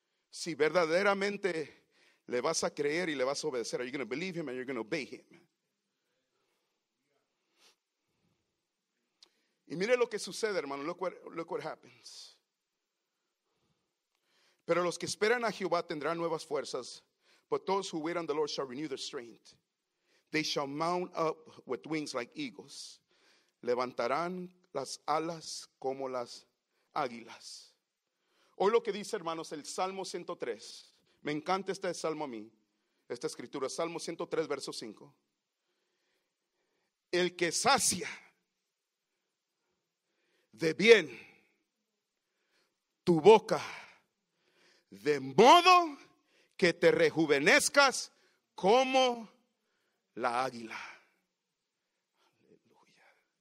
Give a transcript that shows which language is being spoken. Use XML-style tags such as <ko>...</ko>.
<es>Si verdaderamente le vas a creer y le vas a obedecer,</es> <en>are you going to believe him and you're going to obey him?</en> <es>Y mire lo que sucede, hermano.</es> <en>Look what happens.</en> <es>Pero los que esperan a Jehová tendrán nuevas fuerzas.</es> <en>But those who wait on the Lord shall renew their strength. They shall mount up with wings like eagles.</en> <es>Levantarán las alas como las águilas. Hoy lo que dice, hermanos, el Salmo 103. Me encanta este Salmo a mí, esta escritura. Salmo 103, verso 5. El que sacia de bien tu boca, de modo que te rejuvenezcas como la águila. Aleluya.</es>